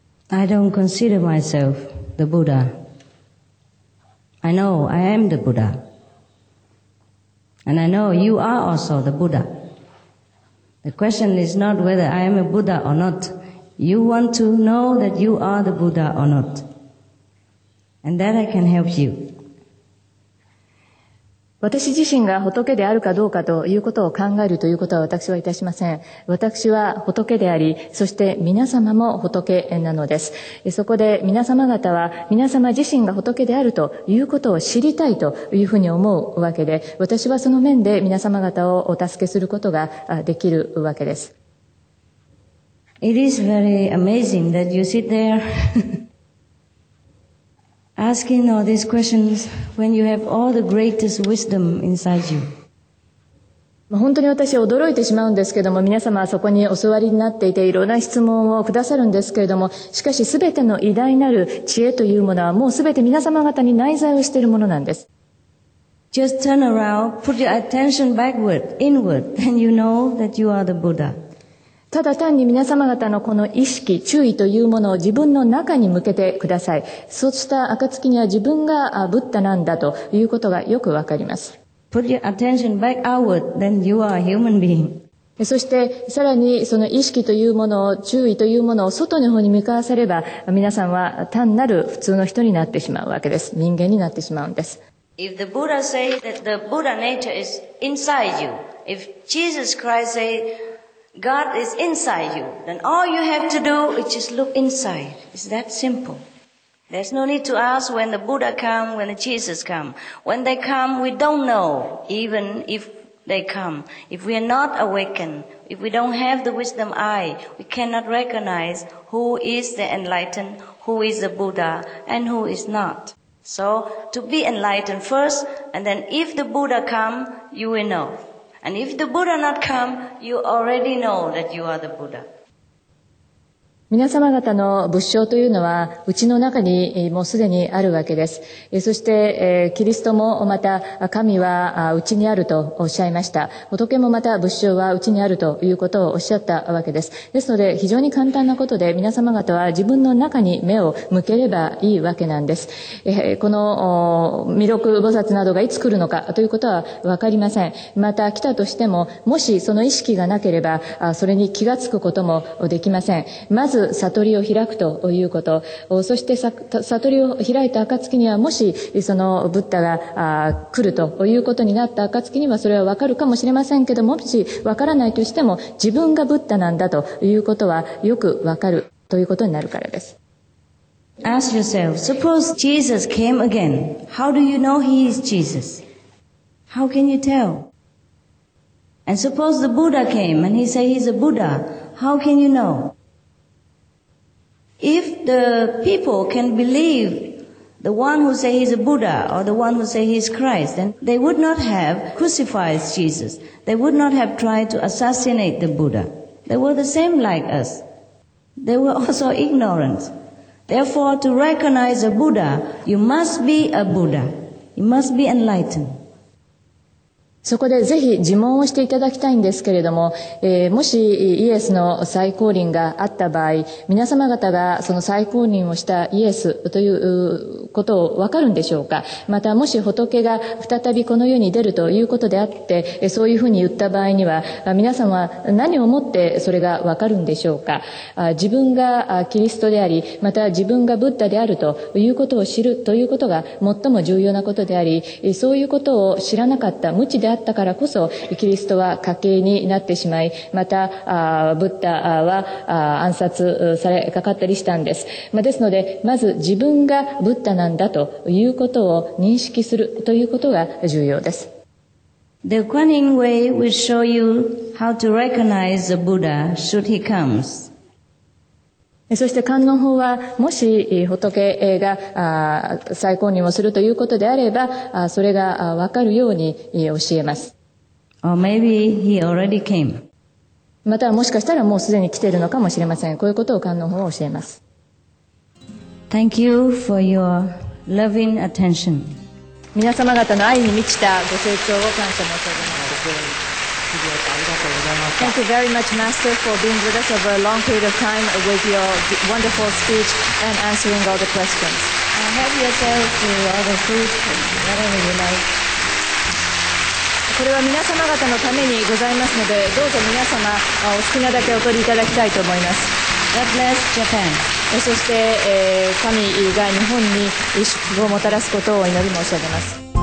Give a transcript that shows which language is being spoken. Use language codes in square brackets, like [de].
[en] I don't consider myself the Buddha. I know I am the Buddha. And I know you are also the Buddha. The question is not whether I am a Buddha or not. You want to know that you are the Buddha or not. And that I can help you. [ja] 私自身が仏であるかどうかということを考えるということは私はいたしません。私は仏であり、そして皆様も仏なのです。そこで皆様方は皆様自身が仏であるということを知りたいというふうに思うわけで、私はその面で皆様方をお助けすることができるわけです。 [en] It is very amazing that you sit there asking all these questions when you have all the greatest wisdom inside you. [ja] 本当に私驚いてしまうんですけども、皆様はそこにお座りになっていて、いろんな質問をくださるんですけれども、しかし全ての偉大なる知恵というものは、もう全て皆様方に内在をしているものなんです。 [en] Just turn around, put your attention backward, inward, and you know that you are the Buddha. [ja] ただ単に皆様方のこの意識、注意というものを自分の中に向けてください。そうした暁には自分がブッダなんだということがよくわかります。 [en] Put your attention back outward, then you are a human being. [ja] そしてさらにその意識というものを、注意というものを外の方に向かわせれば、皆さんは単なる普通の人になってしまうわけです。人間になってしまうんです。 [en] If the Buddha say that the Buddha nature is inside you, if Jesus Christ say God is inside you, then all you have to do is just look inside. It's that simple. There's no need to ask when the Buddha come, when the Jesus come. When they come, we don't know, even if they come. If we are not awakened, if we don't have the wisdom eye, we cannot recognize who is the enlightened, who is the Buddha, and who is not. So, to be enlightened first, and then if the Buddha come, you will know. And if the Buddha not come, you already know that you are the Buddha. [ja] 皆様方の仏性というのは、うちの中にもうすでにあるわけです。そして、キリストもまた、神はうちにあるとおっしゃいました。仏もまた仏性はうちにあるということをおっしゃったわけです。ですので、非常に簡単なことで、皆様方は自分の中に目を向ければいいわけなんです。この弥勒菩薩などがいつ来るのかということはわかりません。また来たとしても、もしその意識がなければ、それに気がつくこともできません。まず悟りを開くということ、そして悟りを開いた暁にはもしそのブッダが来るということになった暁にはそれはわかるかもしれませんけども、もしわからないとしても自分がブッダなんだということはよくわかるということになるからです。 [en] Ask yourself, suppose Jesus came again. How do you know he is Jesus? How can you tell? And suppose the Buddha came and he said he's a Buddha. How can you know? If the people can believe the one who say he's a Buddha or the one who say he's Christ, then they would not have crucified Jesus. They would not have tried to assassinate the Buddha. They were the same like us. They were also ignorant. Therefore, to recognize a Buddha, you must be a Buddha. You must be enlightened. [ja] そこでぜひ自問をしていただきたいんですけれども、もしイエスの再降臨があった場合、皆様方がその再降臨をしたイエスということをわかるんでしょうか。またもし仏が再びこの世に出るということであって、そういうふうに言った場合には、皆様は何をもってそれがわかるんでしょうか。自分がキリストであり、また自分がブッダであるということを知るということが最も重要なことであり、そういうことを知らなかった無知であったからこそキリストは家系になってしまい、またブッダは暗殺されかかったりしたんです。ですのでまず自分がブッダなんだということを認識するということが重要です。 [en] The Kuan Yin way will show you how to recognize the Buddha should he comes. [ja] そして観音法はもし仏が再降臨をするということであればそれが分かるように教えます。 [en] Or maybe he already came. [ja] またはもしかしたらもうすでに来ているのかもしれません。こういうことを観音法は教えます。 [en] Thank you for your loving attention. [ja] 皆様方の愛に満ちたご清聴を感謝申し上げます。 [en] Thank you very much, Master, for being with us over a long period of time with your wonderful speech and answering all the questions. Have yourself to other food, whatever you like. [ja] これは皆様方のためにございますので、どうぞ皆様お好きなだけお取りいただきたいと思います。 [en] God bless Japan. [ja] そして、神が日本に祝福をもたらすことを祈り申し上げます。